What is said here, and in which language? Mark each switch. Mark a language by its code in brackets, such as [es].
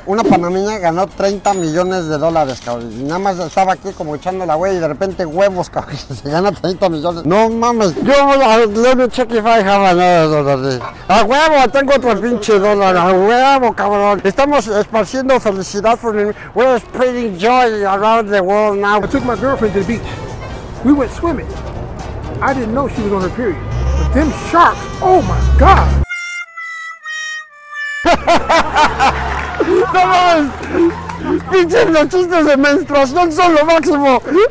[es] Una panameña ganó 30 millones de dólares, cabrón. Y nada más estaba aquí como echando la wey y de repente huevos, cabrón. Se gana 30 millones. No mames. Yo voy a [en] let me check if I have another dollar. [es] A huevo, tengo otro pinche dólar. A huevo, cabrón. Estamos esparciendo felicidad por el... [en] We're spreading joy around the world now. I took my girlfriend to the beach. We went swimming. I didn't know she was on her period. But them sharks, oh my God! [es] No mames! Pinches los chistes de menstruación son lo máximo!